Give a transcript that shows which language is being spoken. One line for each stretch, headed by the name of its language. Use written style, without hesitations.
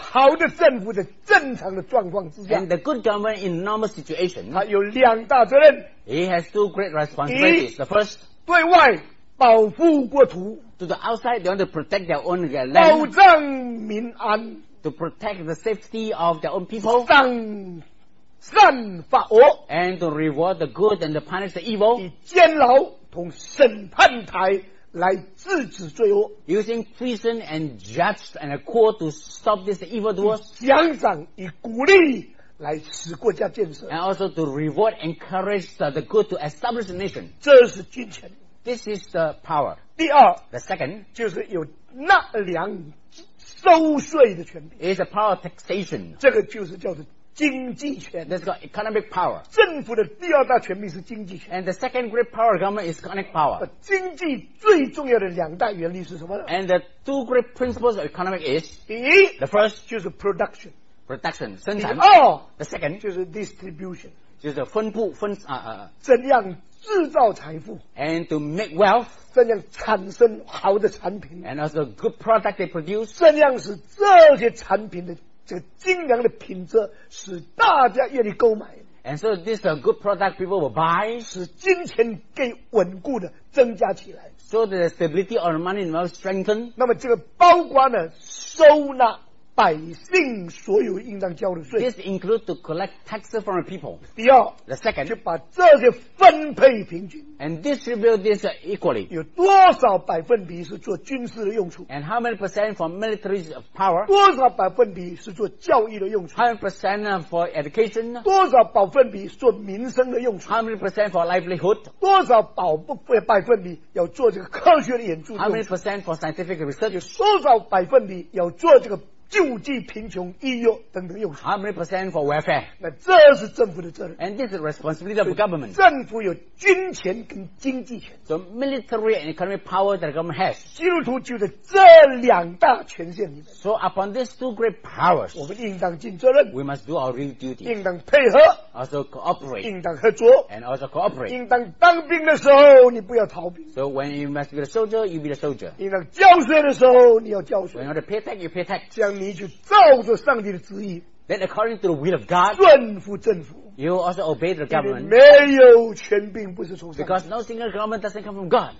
Chinese: 而好的政府在正常的状况之下。
English: And the good government in normal situation.
Chinese: 他有两大责任。
English: He has two great responsibilities. The first.
Chinese: 对外保护国土。
English: To the outside, they want to protect their own land.
Chinese: 保障民安。
English: To protect the safety of their own people.
Chinese: 善发恶
English: And to reward the good and to punish the evil.
Chinese: 以监牢同审判台来制止罪恶
English: Using prison and judge and a court to stop this evil doers.
Chinese: 奖赏以鼓励来使国家建设
English: And also to reward and encourage the good to establish the nation.
Chinese: 这是金钱
English: This is the power.
Chinese: 第二
English: The second.
Chinese: 就是有纳粮收税的权利
English: is a power of taxation
Chinese: 这个就是叫做经济权。
English: That's called economic power.
Chinese: 政府的第二大权柄是经济权。
English: And the second great power of government is economic power.
Chinese: 经济最重要的两大原理是什么呢
English: ？And the two great principles of economic is
Chinese: 第一
English: ，the first
Chinese: 就是 production， production 生产。第二
English: ，the second
Chinese: 就是 distribution，就是分布分怎样制造财富
English: ，and to make wealth，
Chinese: 怎样产生好的产品
English: ，and as a good product they produce，
Chinese: 怎样使这些产品的这个精良的品质使大家愿意购买
English: ，and so this is a good product people will buy，
Chinese: 使金钱给稳固的增加起来
English: ，so the stability of the money will strengthen。
Chinese: 那么这个包括呢收纳百姓所有应当交的税
English: ，this includes to collect taxes from the people。
Chinese: 第二
English: ，the second，
Chinese: 就把这些分配平均
English: ，and distribute this equally。
Chinese: 有多少百分比是做军事的用处
English: ？and how many percent for military power？
Chinese: 多少百分比是做教育的用处
English: ？how many percent for education？
Chinese: 多少百分比是做民生的用处
English: ？how many percent for livelihood？
Chinese: 多少百分比要做这个科学的研究
English: ？how many percent for scientific research？
Chinese: 多少百分比要做这个救济贫穷、医药等等用处。
English: How many percent for welfare？
Chinese: 那这是政府的责任。
English: And this is responsibility of government。
Chinese: 政府有军权跟经济权。
English: So military and economic power that government has。
Chinese: 基督徒就在这两大权限里面。
English: So upon these two great powers，
Chinese: 我们应当尽责任。
English: We must do our real duty。
Chinese: 应当配合。
English: Also cooperate。
Chinese: 应当合作。
English: And also cooperate。
Chinese: 应当当兵的时候，你不要逃兵。
English: So when you must be a soldier， you be a soldier。
Chinese: 应当交税的时候，你要交税。
English: When you have to pay tax， you pay tax。
Chinese: 你就照着上帝的旨意
English: Then according to the will of God
Chinese: 顺服政府
English: You also obey the government
Chinese: 没有权柄不是从上
English: 帝 Because no single government doesn't come from God